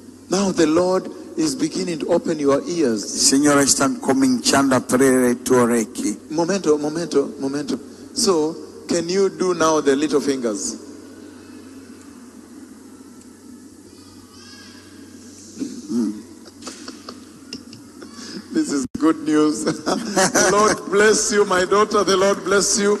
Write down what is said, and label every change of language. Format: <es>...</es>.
<en>Now the Lord is beginning to open your ears.</en> <it>Signore sta cominciando a aprire i tuoi orecchi. Momento.</it> <en>So, can you do now the little fingers? This is good news. The Lord bless you, my daughter. The Lord bless you.</en>